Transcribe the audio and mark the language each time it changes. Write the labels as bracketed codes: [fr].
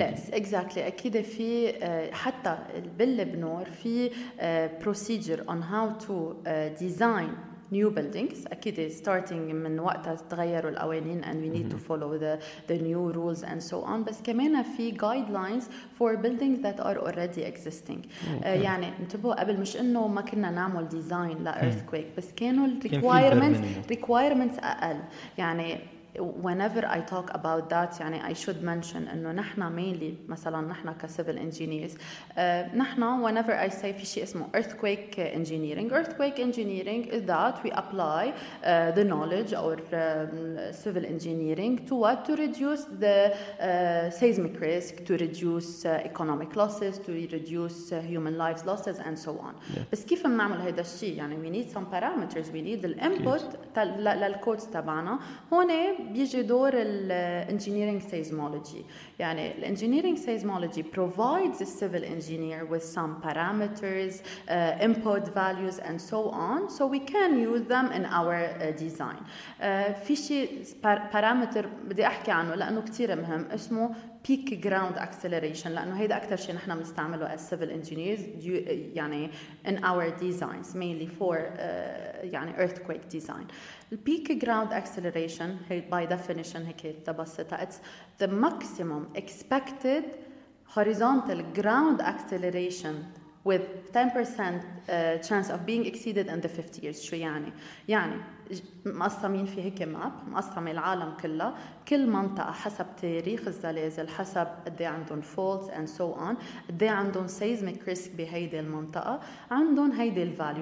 [en] Yes, exactly. [ar] أكيد في حتى بالبنور في [en] procedure on how to design new buildings. أكيد starting [ar] من وقتها تغيروا القوانين, [en] and we need to follow the new rules and so on. [ar] بس كمان في [en] guidelines for buildings that are already existing. Okay. [ar] يعني انتبهوا قبل مش إنه ما كنا نعمل design لا earthquake, بس كانوا requirements أقل. [en] يعني whenever I talk about that, يعني I should mention [ar] إنه نحنا [en] mainly مثلا نحنا كcivil engineers, نحنا whenever I say [ar] في شيء اسمه [en] earthquake engineering is that we apply the knowledge or civil engineering to what, to reduce the seismic risk, to reduce economic losses, to reduce human lives losses and so on. Yeah. [ar] بس كيف منعمل هيدا الشيء؟ [en] يعني we need some parameters, we need the input للcodes تبعنا. [ar] هون بيجي دور الـ engineering seismology. [en] يعني الـ engineering seismology provides the civil engineer with some parameters, input values and so on, so we can use them in our design. [ar] في شيء parameter بدي أحكي عنه لأنه كتير مهم, اسمه peak ground acceleration, لأنه هيدا أكتر شيء نحن بنستعمله [en] as civil engineers, [ar] يعني [en] in our designs mainly for [ar] يعني earthquake design. [en] Peak ground acceleration, by definition, it's the maximum expected horizontal ground acceleration with 10% chance of being exceeded in the 50 years. [ar] شو يعني؟ يعني مقسمين في هيك ماب, مقسم العالم كله, كل منطقة حسب تاريخ الزلازل, حسب قدي عندهم faults [en] and so on, [ar] قدي عندهم seismic risk بهيدي المنطقة, عندهم هيدي الفاليو.